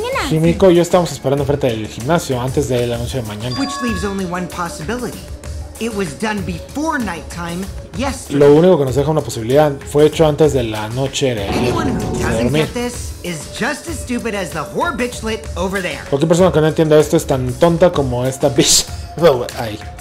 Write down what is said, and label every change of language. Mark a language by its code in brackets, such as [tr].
[es] Himiko y yo estábamos esperando frente del gimnasio antes de la noche de mañana. [en] Which leaves only one possibility. It was done before nighttime yesterday. [es] Lo único que nos deja una posibilidad fue hecho antes de la noche de dormir. [en] Anyone who doesn't get this is just as stupid as the whore bitchlet over there. [es] Cualquier persona que no entienda esto es tan tonta como esta bitch. Ahí.